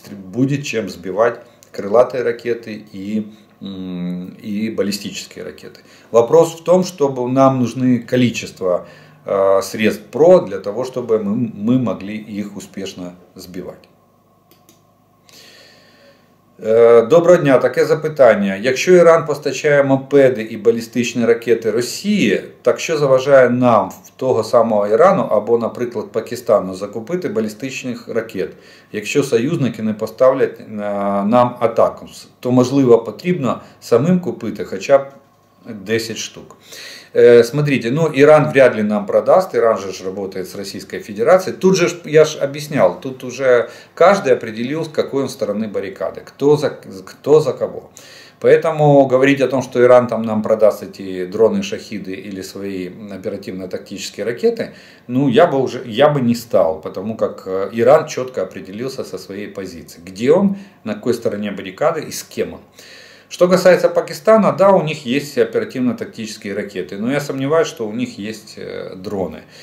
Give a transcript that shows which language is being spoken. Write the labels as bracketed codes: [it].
[ru] Будет чем сбивать крылатые ракеты и баллистические ракеты. Вопрос в том, чтобы нам нужны количество средств ПРО, для того, чтобы мы могли их успешно сбивать. [uk] Доброго дня. Таке запитання. Якщо Іран постачає мопеди і балістичні ракети Росії, так що заважає нам в того самого Ірану або, наприклад, Пакистану закупити балістичних ракет, якщо союзники не поставлять нам атаку? То, можливо, потрібно самим купити хоча б 10 штук. [ru] Смотрите, ну, Іран вряд ли нам продаст, [uk] Іран же ж работає з Російською Федерацією. Тут же ж, я ж об'ясняв, тут уже кожен определив, з якої сторони барикади, хто за кого. [ru] Поэтому говорить о том, что Иран там нам продаст эти дроны шахиды или свои оперативно-тактические ракеты, ну я бы не стал, потому как Иран четко определился со своей позицией, где он, на какой стороне баррикады и с кем он. Что касается Пакистана, да, у них есть оперативно-тактические ракеты, но я сомневаюсь, что у них есть дроны.